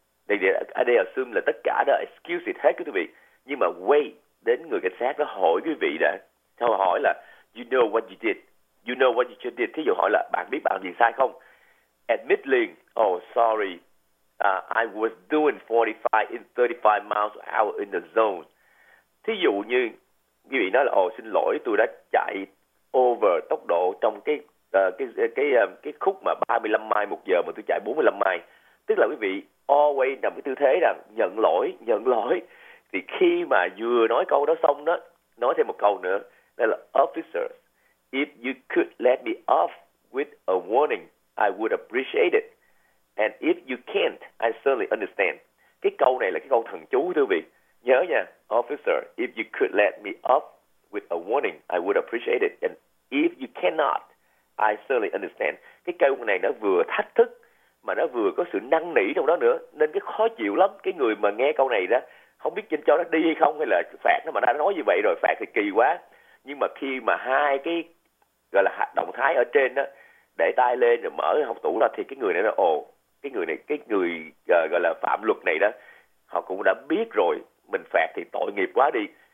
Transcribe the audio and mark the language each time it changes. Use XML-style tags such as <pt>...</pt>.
<en>They assume</en> <vi>là tất cả đó</vi> <en>excuse it</en> <vi>hết, quý vị. Nhưng mà wait đến người cảnh sát đó hỏi quý vị đã. Sau hỏi là</vi> <en>you know what you just did.</en> <vi>Thí dụ hỏi là bạn biết bạn gì sai không?</vi> <en>Admit liền. Sorry. I was doing 45 in 35 miles an hour in the zone.</en> <vi>Thí dụ như quý vị nói là xin lỗi, tôi đã chạy over tốc độ trong cái khúc mà 35 mile một giờ mà tôi chạy 45 mile. Tức là quý vị always nằm cái tư thế là nhận lỗi. Thì khi mà vừa nói câu đó xong đó, nói thêm một câu nữa, đây là</vi> <en>officer, if you could let me off with a warning, I would appreciate it. And if you can't, I certainly understand.</en> <vi>Cái câu này là cái câu thần chú, thưa quý vị. Nhớ nha,</vi> <en>officer, if you could let me off with a warning, I would appreciate it. And if you cannot, I certainly understand.</en> <vi>Cái câu này nó vừa thách thức, mà nó vừa có sự năn nỉ trong đó nữa. Nên cái khó chịu lắm, cái người mà nghe câu này đó, không biết trên cho nó đi hay không, hay là phạt nó, mà đã nói như vậy rồi, phạt thì kỳ quá. Nhưng mà khi mà hai cái gọi là động thái ở trên đó, để tay lên rồi mở cái hộc tủ ra, thì cái người này nó cái người gọi là phạm luật này đó, họ cũng đã biết rồi, mình phạt thì tội nghiệp quá đi.</vi>